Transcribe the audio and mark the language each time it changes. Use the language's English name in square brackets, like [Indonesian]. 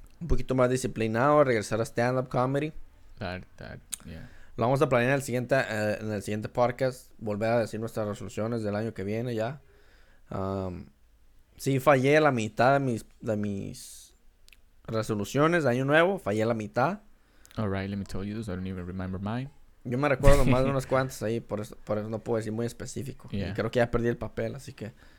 [Spanish] Un poquito más disciplinado, regresar a stand-up comedy. [English] That, yeah. [Spanish] Lo vamos a planear en el siguiente podcast. Volver a decir nuestras resoluciones del año que viene ya. Sí, fallé la mitad de mis resoluciones de año nuevo. Fallé la mitad. [English] All right, let me tell you this. I don't even remember mine. [Spanish] Yo me recuerdo más de unas cuantas ahí. Por eso no puedo decir muy específico. Yeah. Y creo que ya perdí el papel, así que...